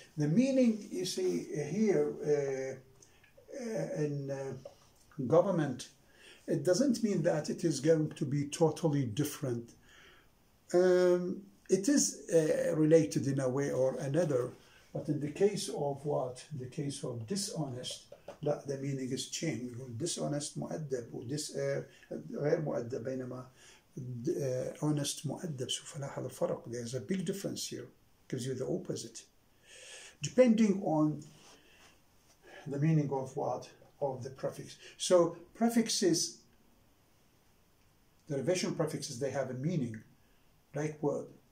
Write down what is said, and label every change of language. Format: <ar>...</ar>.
<en>The meaning, you see here, in government, it doesn't mean that it is going to be totally different. It is related in a way or another, but in the case of what? In the case of dishonest, the meaning is changed.</en> <ar>Dishonest مؤدب غير مؤدب بينما honest مؤدب سوف نلاحظ الفرق.</ar> <en>There's a big difference here, gives you the opposite depending on the meaning of what, of the prefix. So prefixes, derivational prefixes, they have a meaning like word.</en>